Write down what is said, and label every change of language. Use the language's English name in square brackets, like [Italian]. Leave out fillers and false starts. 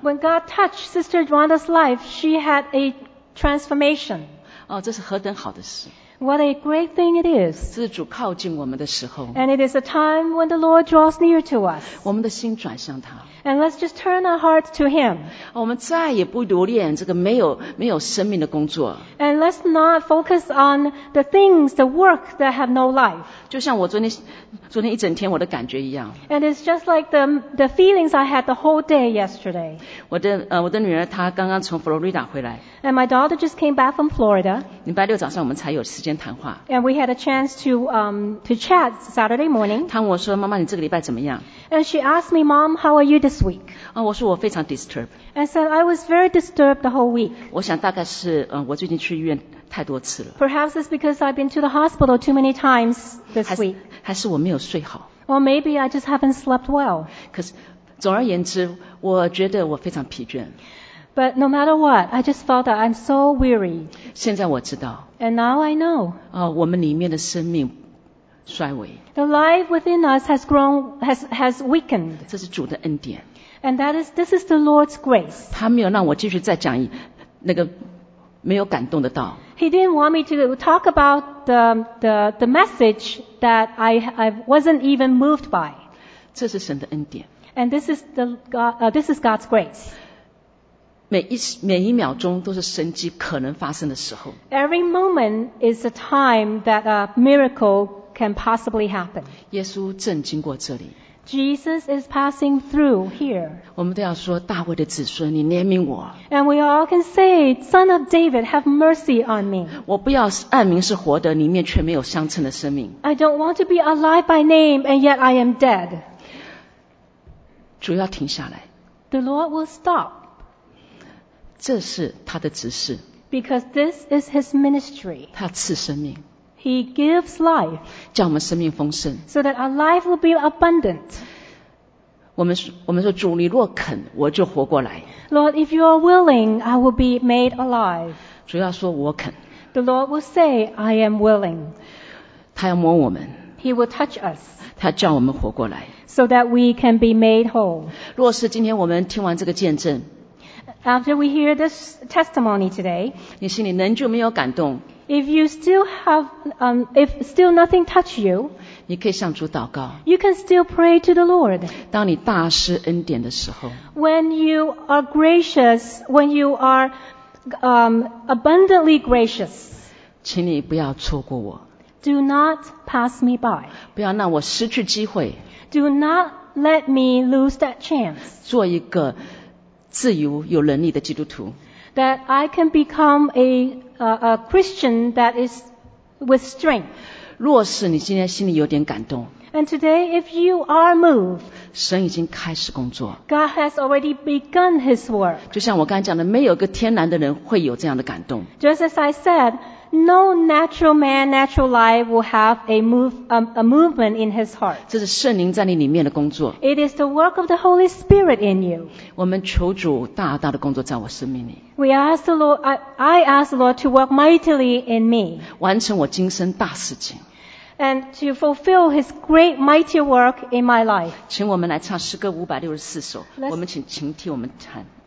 [English] When God touched Sister Rhonda's life she had a transformation [Chinese] 这是何等好的事 [English] What a great thing it is. [Chinese] 是主靠近我们的时候。 [English] And it is a time when the Lord draws near to us. [Chinese] 我们的心转向他。 [English] And let's just turn our hearts to Him. [Chinese] 我们再也不留恋这个没有生命的工作。 [English] And let's not focus on the things, the work that have no life. [Chinese] 就像我昨天一整天我的感觉一样。 [English] And it's just like the feelings I had the whole day yesterday. [Chinese] 我的女儿她刚刚从佛罗里达回来。 [English] And my daughter just came back from Florida. [Chinese] 礼拜六早上我们才有时间谈话。 [English] And we had a chance to chat Saturday morning. [Chinese] 她问我说妈妈你这个礼拜怎么样 [English] And she asked me, Mom, how are you this week? [Chinese] 我说我非常 disturbed. [English] And said, I was very disturbed the whole week. [Chinese] 我想大概是我最近去医院太多次了。 [English] Perhaps it's because I've been to the hospital too many times this week. [Chinese] 还是我没有睡好。 [English] Or maybe I just haven't slept well. [Chinese] 可是总而言之我觉得我非常疲倦。 [English] But no matter what, I just felt that I'm so weary. [Chinese] 现在我知道。 [English] And now I know. [Chinese] 我们里面的生命衰微。 [English] The life within us has weakened. [Chinese] 这是主的恩典。 [English] And this is the Lord's grace. [Chinese] 他没有让我继续再讲那个没有感动的道。 [English] He didn't want me to talk about the message that I wasn't even moved by. [Chinese] 这是神的恩典。 [English] And this is this is God's grace. [Chinese] 每一秒钟都是神迹可能发生的时候。 [English] Every moment is a time that a miracle can possibly happen. [Chinese] 耶稣正经过这里。 [English] Jesus is passing through here. [Chinese] 我们都要说大卫的子孙，你怜悯我。 [English] And we all can say, Son of David, have mercy on me. [Chinese] 我不要暗名是活的，里面却没有相称的生命。 [English] I don't want to be alive by name, and yet I am dead. [Chinese] 主要停下来。 [English] The Lord will stop. [Chinese] 这是他的职事。 [English] Because this is his ministry. [Chinese] 他赐生命。 [English] He gives life. [Chinese] 叫我们生命丰盛。 [English] So that our life will be abundant. [Chinese] 我们说主你若肯我就活过来。 [English] Lord, if you are willing, I will be made alive. [Chinese] 主要说我肯。 [English] The Lord will say, I am willing. [Chinese] 他要摸我们。 [English] He will touch us. [Chinese] 他叫我们活过来。 [English] So that we can be made whole. [Chinese] 若是今天我们听完这个见证 [English] After we hear this testimony today, [Chinese] 你心里仍旧没有感动, [English] If you still have, if still nothing touch you, [Chinese] 你可以向主祷告。 [English] You can still pray to the Lord. [Chinese] 当你大施恩典的时候。 [English] When you are gracious, when you are, abundantly gracious. [Chinese] 请你不要错过我。 [English] Do not pass me by. [Chinese] 不要让我失去机会。 [English] Do not let me lose that chance. [Chinese] 做一个自由有能力的基督徒。 [English] That I can become a Christian that is with strength. [Chinese] 若是你今天心里有点感动。 [English] And today, if you are moved, [Chinese] 神已经开始工作。 [English] God has already begun His work. [Chinese] 就像我刚才讲的，没有一个天然的人会有这样的感动。 [English] Just as I said, no natural man, natural life will have a movement in his heart. [Chinese] 这是圣灵在你里面的工作。 [English] It is the work of the Holy Spirit in you. [Chinese] 我们求主大大的工作在我生命里。 [English] We ask the Lord, I ask the Lord to work mightily in me. [Chinese] 完成我今生大事情。 [English] And to fulfill His great mighty work in my life. [Chinese] 请我们来唱诗歌564首。我们请请替我们弹。